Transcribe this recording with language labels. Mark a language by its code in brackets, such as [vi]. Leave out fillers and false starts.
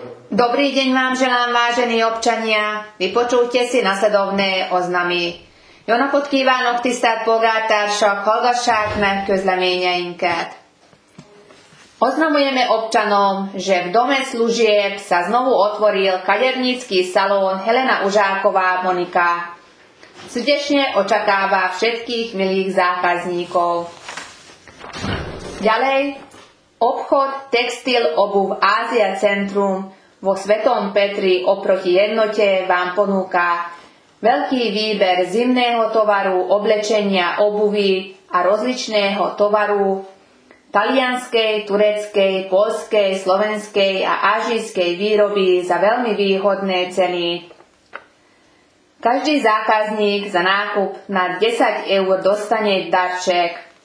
[sk] Dobrý deň vám želám, vážení občania. Vypočujte si nasledovné oznamy. [hu] Jó napot kívánok, tisztelt polgártársak, hallgassák meg közleményeinket. [sk] Oznamujeme občanom, že v dome služieb sa znovu otvoril kadernícky salón Helena Užáková Monika. Srdečne očakáva všetkých milých zákazníkov. Ďalej, obchod Textil Obuv Ázia Centrum vo Svetom Petri oproti jednote vám ponúka veľký výber zimného tovaru, oblečenia, obuvy a rozličného tovaru talianskej, tureckej, poľskej, slovenskej a ázijskej výroby za veľmi výhodné ceny. Každý zákazník za nákup na 10 eur dostane darček.